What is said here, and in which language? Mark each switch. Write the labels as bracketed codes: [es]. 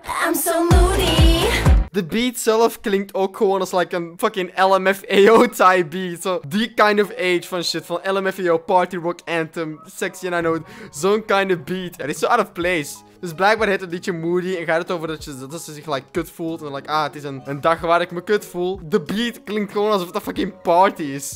[en] I'm so moody. [nl] De beat zelf klinkt ook gewoon als like een fucking LMFAO type beat. Zo, die kind of age van shit. Van LMFAO, party rock anthem, sexy and I know. Zo'n kind of beat. Het is zo [en] out of place. [nl] Dus blijkbaar heet het liedje Moody en gaat het over dat ze zich like kut voelt. En like, ah, het is een dag waar ik me kut voel. De beat klinkt gewoon alsof het een fucking party is.